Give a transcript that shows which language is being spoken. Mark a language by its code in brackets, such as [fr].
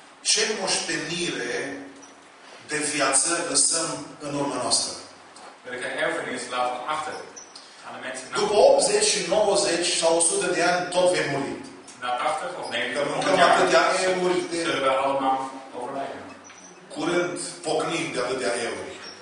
[ro] Ce moștenire de viață lăsăm în urma noastră? [nl] Welke erfenis laten we achter aan de mensen? [ro] După 80, 90 sau 100 de ani tot vei muri. [nl] Na 80 of 90 ani zullen we allemaal overlijden. [ro] Curând pocnim de atâtea euri.